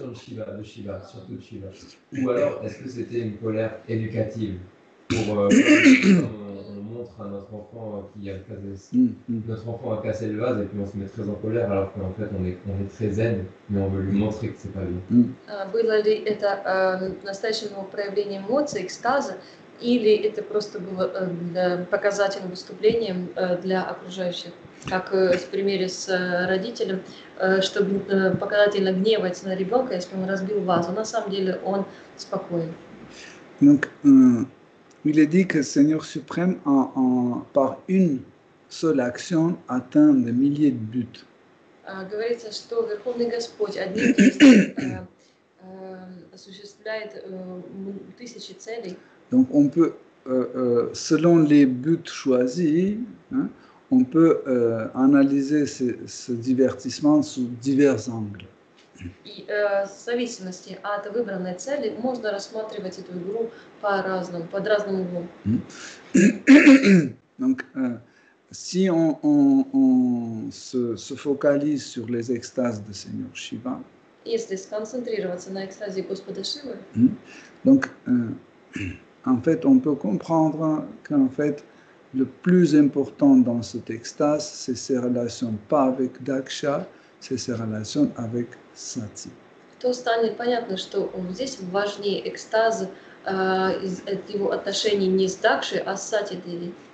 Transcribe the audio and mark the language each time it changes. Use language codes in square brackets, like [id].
[fr] De Shiva, surtout de Shiva. Ou alors, est-ce que c'était une colère éducative pour on montre à notre enfant qu'il y a cassé, notre enfant a cassé le vase et puis on se met très en colère alors qu'en fait on est très zen mais on veut lui montrer que c'est pas bien. [ru] Было ли это настоящее проявление эмоций, экстаза? Или это просто было показательным выступлением для окружающих, как в примере с родителем, чтобы показательно гневаться на ребенка, если он разбил вазу. На самом деле он спокоен. [fr] Donc, il est dit que le Seigneur Suprême, par une seule action, atteint des milliers de buts. [ru] Говорится, что Верховный Господь одним действием осуществляет тысячи целей. [fr] Donc on peut, selon les buts choisis, hein, on peut analyser ce divertissement sous divers angles. [ru] В зависимости от выбранной цели можно рассматривать эту игру по-разному, под разным углом. [fr] Donc si on se focalise sur les extases de Seigneur Shiva. [ru] Если сконцентрироваться на экстазе Господа Шивы. [fr] Donc en fait, on peut comprendre qu'en fait, le plus important dans cet extase, c'est ses relations pas avec Daksha, c'est ses relations avec Sati. [ru] То станет понятно, что здесь важнее экстаз его отношений не с Дакшей, а с Сати Деви.